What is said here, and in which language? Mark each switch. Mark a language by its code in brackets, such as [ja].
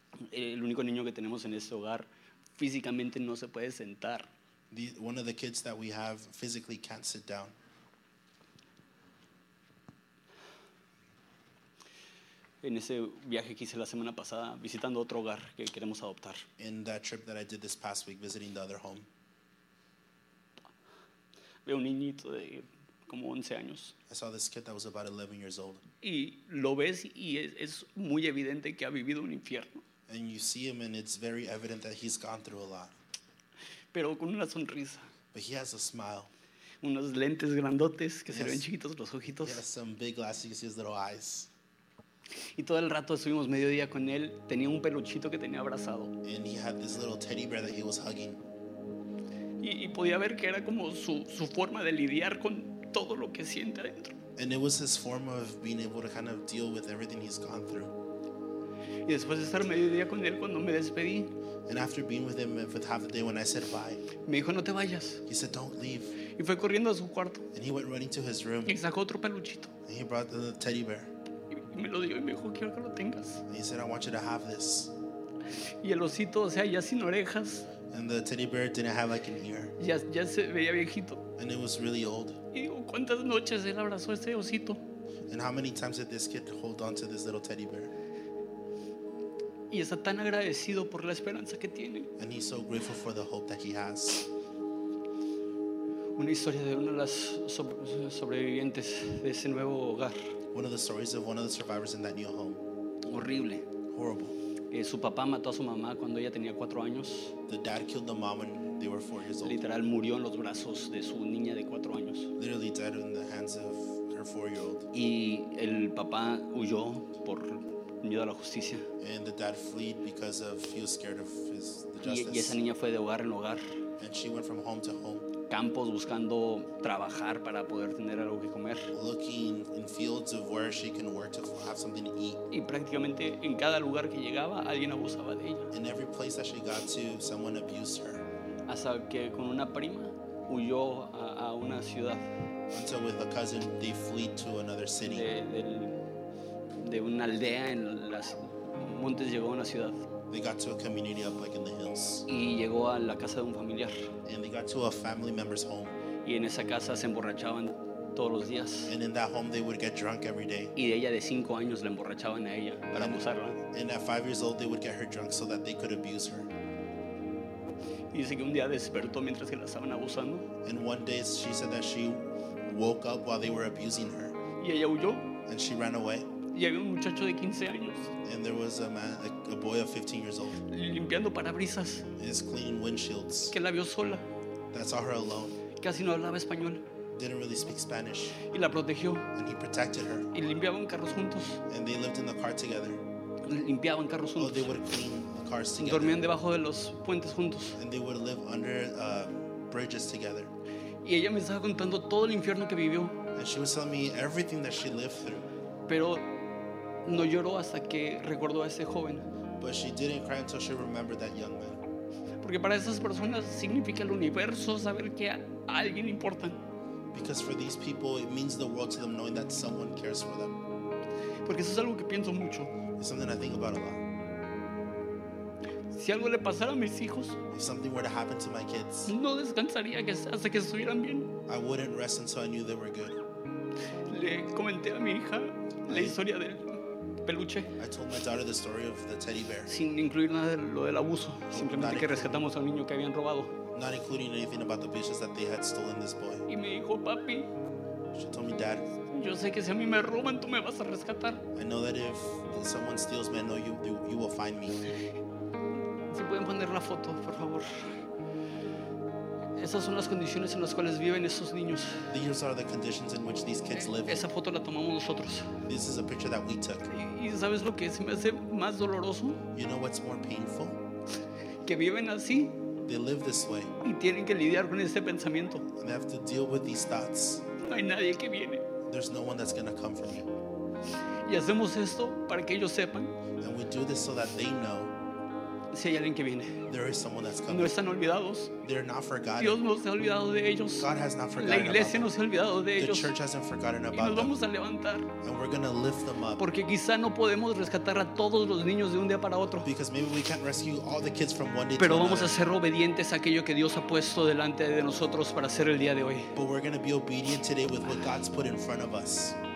[es] El único niño que tenemos en este hogar físicamente no se puede sentar. [en] One of the kids that we have physically can't sit down. [es] En ese viaje que hice la semana pasada, visitando otro hogar que queremos adoptar. [en] In that trip that I did this past week, visiting the other home. [es] Veo un niñito de como 11 años. [en] I saw this kid that was about 11 years old. [es] Y lo ves y es muy evidente que ha vivido un infierno. [en] And you see him and it's very evident that he's gone through a lot. [es] Pero con una sonrisa. [en] But he has a smile. [es] Unos lentes grandotes que se ven chiquitos los ojitos. [en] He has some big glasses, you can see his little eyes. [es] Y todo el rato estuvimos mediodía con él, tenía un peluchito que tenía abrazado. [en] And he had this little teddy bear that he was hugging. [es] Y podía ver que era como su forma de lidiar con todo lo que siente adentro. [en] And it was his form of being able to kind of deal with everything he's gone through. [es] Y después de estar mediodía con él cuando me despedí, [en] and after being with him for half the day when I said bye, [es] me dijo, no te vayas. [en] He said, don't leave. [es] Y fue corriendo a su cuarto. [en] And he went running to his room. [es] Y sacó otro peluchito. [en] And he brought the teddy bear. [es] Y me lo dio y me dijo, quiero que lo tengas. [en] And he said, I want you to have this. [es] Y el osito, o sea, ya sin orejas. [en] And the teddy bear didn't have like an ear. [es] Ya se veía viejito. [en] And it was really old. [es] Y digo, ¿cuántas noches él abrazó ese osito? [en] And how many times did this kid hold on to this little teddy bear? [es] Y está tan agradecido por la esperanza que tiene. [en] And he's so grateful for the hope that he has. [es] una historia de una de las sobrevivientes de ese nuevo hogar. [en] One of the stories of one of the survivors in that new home. [es] Horrible. [en] Horrible. [es] Su papá mató a su mamá cuando ella tenía 4 años. [en] The dad killed the mom when they were 4 years old. [es] Literal murió en los brazos de su niña de 4 años. [en] Literally died in the hands of her 4-year-old. [es] Y el papá huyó por miedo a la justicia. [en] And the dad fled because of he was scared of his the justice. [es] Y esa niña fue de hogar en hogar. [en] And she went from home to home. [es] Campos buscando trabajar para poder tener algo que comer. [en] Looking in fields of where she can work to have something to eat. [es] Y prácticamente en cada lugar que llegaba, alguien abusaba de ella. [en] In every place that she got to, someone abused her. [es] Hasta que con una prima huyó a una ciudad. [en] Until with a cousin, they flee to another city. [es] De una aldea en las montes llegó a una ciudad. [en] They got to a community up like in the hills. [es] Y llegó a la casa de un familiar. [en] And they got to a family member's home. [es] Y en esa casa se emborrachaban todos los días. [en] And in that home they would get drunk every day. [es] Y de ella de 5 años la emborrachaban a ella para and abusarla. [en] And at 5 years old they would get her drunk so that they could abuse her. [es] Y dice que un día despertó mientras que la estaban abusando. [en] And one day she said that she woke up while they were abusing her. [es] Y ella huyó. [en] And she ran away. [es] Y había un muchacho de 15 años. [en] And there was a man, a boy of 15 years old. [es] Limpiando parabrisas. [en] Is cleaning windshields. [es] Que la vio sola. [en] That saw her alone. [es] Casi no hablaba español. [en] Didn't really speak Spanish. [es] Y la protegió. [en] And he protected her. [es] Y limpiaban carros juntos. [en] And they lived in the car together. [es] Limpiaban carros juntos. [en] Oh, they would clean the cars together. [es] Dormían debajo de los puentes juntos. [en] And they would live under bridges together. [es] Y ella me estaba contando todo el infierno que vivió. [en] And she was telling me everything that she lived through. [es] Pero no lloró hasta que recordó a ese joven. [en] But she didn't cry until she remembered that young man. [es] Porque para esas personas significa el universo saber que a alguien importa. [en] Because for these people it means the world to them knowing that someone cares for them. [es] Porque eso es algo que pienso mucho. [en] It's something I think about a lot. [es] Si algo le pasara a mis hijos, [en] if something were to happen to my kids, [es] no descansaría hasta que estuvieran bien. [en] I wouldn't rest until I knew they were good. [es] Le comenté a mi hija la historia de él. Peluche. [en] I told my daughter the story of the teddy bear. [es] Sin incluir nada de lo del abuso, simplemente que rescatamos al niño que habían robado. [en] Not including anything about the vicious that they had stolen this boy. [es] Y me dijo, papi. [en] She told me, dad. [es] Yo sé que si a mí me roban, tú me vas a rescatar. [en] I know that if someone steals me, I know you will find me. [es] Si pueden poner la foto, por favor. Esas son las condiciones en las cuales viven esos niños. [en] These are the conditions in which these kids live. [es] Esa foto la tomamos nosotros. [en] This is a picture that we took. [es] ¿Y sabes lo que se me hace más doloroso? [en] You know what's more painful? [es] Que viven así. [en] They live this way. [es] Y tienen que lidiar con este pensamiento. [en] And they have to deal with these thoughts. [es] No hay nadie que viene. [en] There's no one that's going to come for me. [es] Y hacemos esto para que ellos sepan. [en] And we do this so that they know. [es] Si hay alguien que viene. [en] There is someone that's coming. [es] No están olvidados. [en] They're not forgotten. [es] Dios no se ha olvidado de ellos. [en] God has not forgotten. [es] La iglesia no se ha olvidado de ellos. [en] The church hasn't forgotten about them. [es] Y nos vamos a levantar. [en] And we're going to lift them up. [es] Porque quizá no podemos rescatar a todos los niños de un día para otro. [en] Because maybe we can't rescue all the kids from one day. [es] Pero vamos a ser obedientes a aquello que Dios ha puesto delante de nosotros para hacer el día de hoy. [en] But we're going to be obedient today with what God's put in front of us.